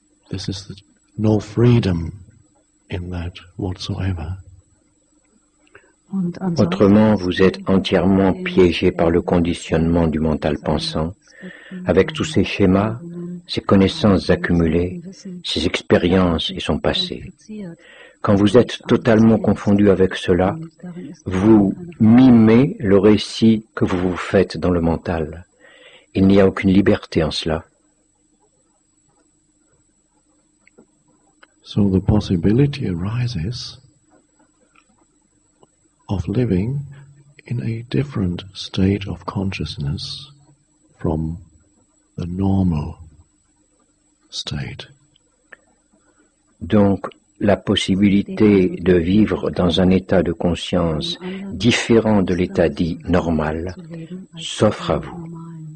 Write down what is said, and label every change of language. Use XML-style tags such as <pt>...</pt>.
<en>This is no freedom in that whatsoever.</en> <fr>Autrement, vous êtes entièrement piégé par le conditionnement du mental pensant, avec tous ces schémas, ces connaissances accumulées, ces expériences et son passé. Quand vous êtes totalement confondu avec cela, vous mimez le récit que vous vous faites dans le mental. Il n'y a aucune liberté en cela.</fr> <en>So the possibility arises of living in a different state of consciousness from the normal state.</en> <fr>Donc, la possibilité de vivre dans un état de conscience différent de l'état dit normal s'offre à vous.</fr>